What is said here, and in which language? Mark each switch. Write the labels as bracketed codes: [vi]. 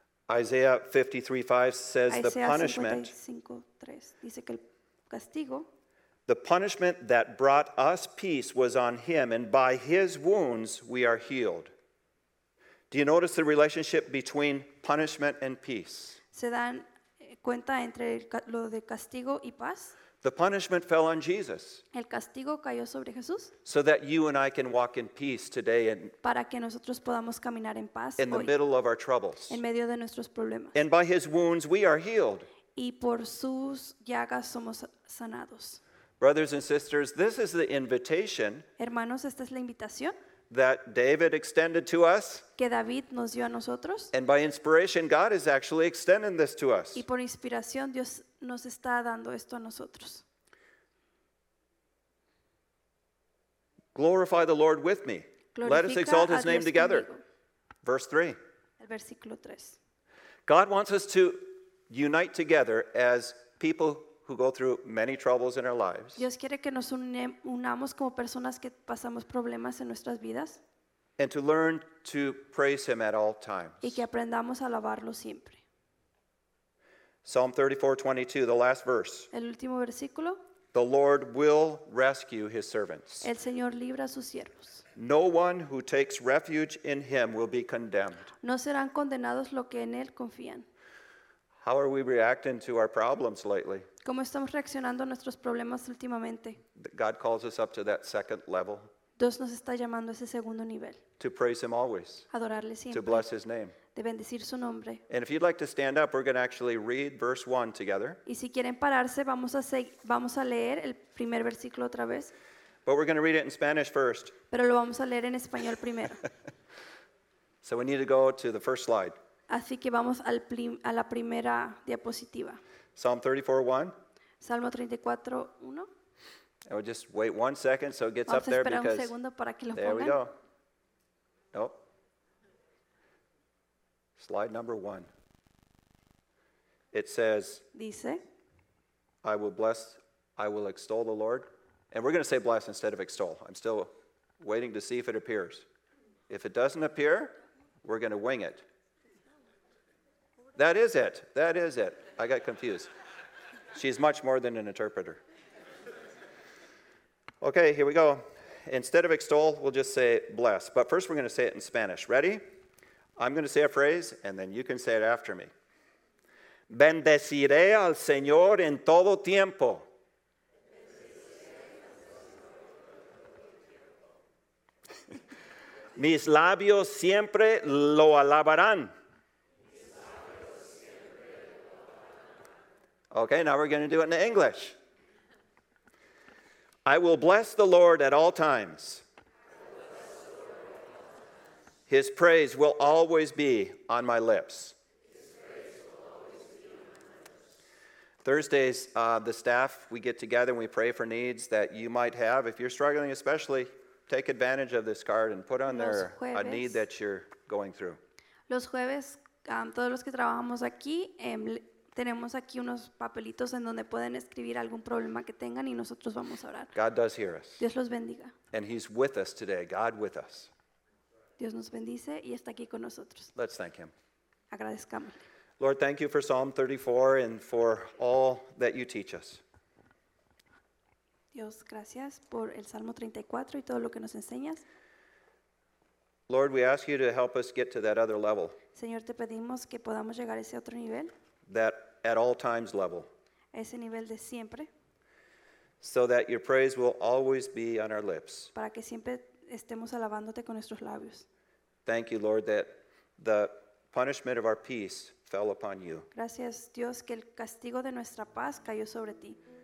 [en] Isaiah 53:5 says the punishment. [es] Dice que el castigo, [en] the punishment that brought us peace was on him, and by his wounds we are healed. Do you notice the relationship between punishment and peace? [es] Se dan cuenta entre lo de castigo y paz. [en] The punishment fell on Jesus. [es] El castigo cayó sobre Jesús. [en] So that you and I can walk in peace today. And [es] para que nosotros podamos caminar en paz. [en] In the middle of our troubles. [es] En medio de nuestros problemas. [en] And by his wounds we are healed. [es] Y por sus llagas somos sanados. [en] Brothers and sisters, this is the invitation. [es] Hermanos, esta es la invitación. [en] That David extended to us. [es] Que David nos dio a nosotros. [en] And by inspiration, God is actually extending this to us. [es] Y por inspiración, Dios nos está dando esto a nosotros. [en] Glorify the Lord with me. [es] Glorifica [en] Let us exalt his name together. [es] Conmigo. [en] Verse 3. [es] El versículo 3. [en] God wants us to unite together as people who go through many troubles in our lives. [es] Dios quiere que nos unamos como personas que pasamos problemas en nuestras vidas. [en] And to learn to praise him at all times. [es] Y que aprendamos a alabarlo siempre. [en] Psalm 34:22, the last verse. [es] El último versículo. [en] The Lord will rescue his servants. [es] El Señor libra a sus siervos. [en] No one who takes refuge in him will be condemned. [es] No serán condenados los que en él confían. [en] How are we reacting to our problems lately? [es] ¿Cómo estamos reaccionando a nuestros problemas últimamente? [en] God calls us up to that second level. [es] Dios nos está llamando a ese segundo nivel. [en] To praise him always. [es] Adorarle siempre. [en] To bless his name. [es] De bendecir su nombre. [en] And if you'd like to stand up, we're going to actually read verse 1 together. [es] Y si quieren pararse, vamos a leer el primer versículo otra vez. [en] But we're going to read it in Spanish first. [es] Pero lo vamos a leer en español primero. [en] So we need to go to the first slide. [es] Así que vamos a la primera diapositiva. [en] Psalm 34:1. [es] Salmo 34:1. [en] I will just wait 1 second so it gets [es] vamos [en] up there [es] a [en] because [es] un segundo para que lo [en] there [es] pongan. [en] We go. Nope. Slide number 1. It says, [es] dice, [en] I will extol the Lord. And we're going to say bless instead of extol. I'm still waiting to see if it appears. If it doesn't appear, we're going to wing it. That is it. That is it. I got confused. She's much more than an interpreter. Okay, here we go. Instead of extol, we'll just say bless. But first we're going to say it in Spanish. Ready? I'm going to say a phrase, and then you can say it after me. [es] Bendeciré al Señor en todo tiempo. Mis labios siempre lo alabarán. [en] Okay, now we're going to do it in English. I will bless the Lord at all times. His praise will always be on my lips. Thursdays, the staff, we get together and we pray for needs that you might have. If you're struggling especially, take advantage of this card and put on there a need that you're going through. [es] Los jueves, todos los que trabajamos aquí, tenemos aquí unos papelitos en donde pueden escribir algún problema que tengan y nosotros vamos a orar. [en] God does hear us. [es] Dios los bendiga. [en] And he's with us today. God with us. [es] Dios nos bendice y está aquí con nosotros. [en] Let's thank him. [es] Agradezcámosle. [en] Lord, thank you for Psalm 34 and for all that you teach us. [es] Dios, gracias por el Salmo 34 y todo lo que nos enseñas. [en] Lord, we ask you to help us get to that other level. [es] Señor, te pedimos que podamos llegar a ese otro nivel. [en] That at all times level. [es] Ese nivel de siempre. [en] So that your praise will always be on our lips. [es] Para que siempre estemos alabándote con nuestros labios. [en] Thank you, Lord, that the punishment of our peace fell upon you. [es] Gracias, Dios, que el castigo de nuestra paz cayó sobre ti.